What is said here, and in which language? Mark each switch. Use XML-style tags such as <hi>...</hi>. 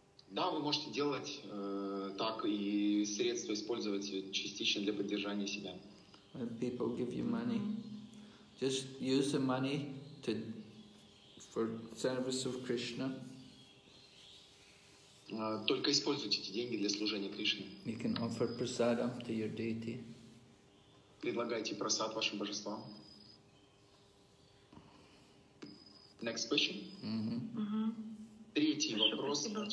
<ru>Да, вы можете делать так и средства использовать частично для поддержания себя.</ru> <en>When people give you money, just use the money to for service of Krishna.</en> <ru>Только используйте эти деньги для служения Кришне.</ru> <en>You can offer prasadam to your deity.</en> <ru>Предлагайте просад вашим божествам.</ru> <en>Next question. Mm-hmm. Mm-hmm.</en> <ru>Третий вопрос.</ru>